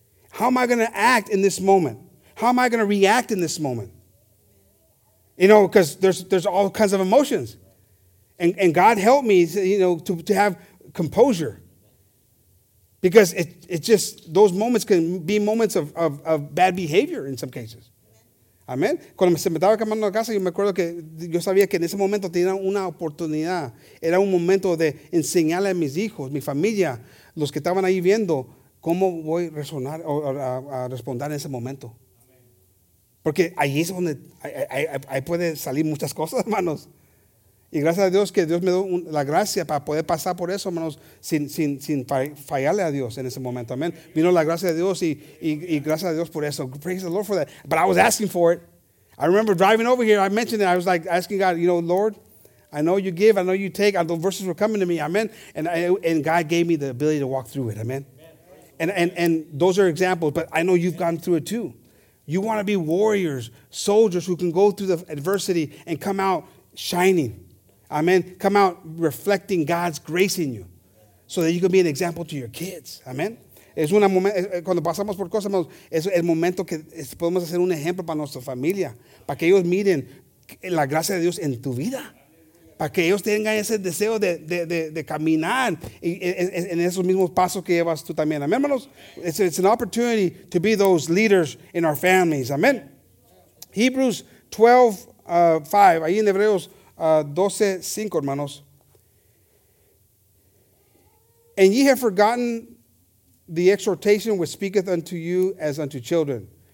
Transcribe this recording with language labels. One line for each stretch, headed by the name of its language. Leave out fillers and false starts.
English: How am I going to act in this moment? How am I going to react in this moment? You know, because there's all kinds of emotions. And God helped me, you know, to have composure. Because it just, those moments can be moments of bad behavior in some cases.
Spanish: Amén. Cuando se me estaba quemando la casa, yo me acuerdo que yo sabía que en ese momento tenía una oportunidad. Era un momento de enseñarle a mis hijos, mi familia, los que estaban ahí viendo, cómo voy a resonar o a responder en ese momento. Porque ahí es donde ahí puede salir muchas cosas, hermanos. Y gracias a Dios que Dios me dio la gracia para poder pasar por eso, hermanos, sin fallarle a Dios en ese momento. Amén. Vino la gracia de Dios y gracias a Dios por eso.
English: Praise the Lord for that. But I was asking for it. I remember driving over here. I mentioned it. I was like asking God, you know, Lord, I know you give. I know you take. And those verses were coming to me. Amen. And God gave me the ability to walk through it. Amen. And those are examples. But I know you've gone through it too. You want to be warriors, soldiers who can go through the adversity and come out shining. Amen. Come out reflecting God's grace in you so that you can be an example to your kids. Amen.
Spanish: Es un momento, cuando pasamos por cosas, es el momento que podemos hacer un ejemplo para nuestra familia, para que ellos miren la gracia de Dios en tu vida, para que ellos tengan ese deseo de caminar en esos mismos pasos que llevas tú también. Amen, hermanos.
English: It's an opportunity to be those leaders in our families. Amen.
Spanish: Hebrews 12:5, ahí en Hebreos 12:5, hermanos.
English: And ye have forgotten the exhortation which speaketh unto you as unto children.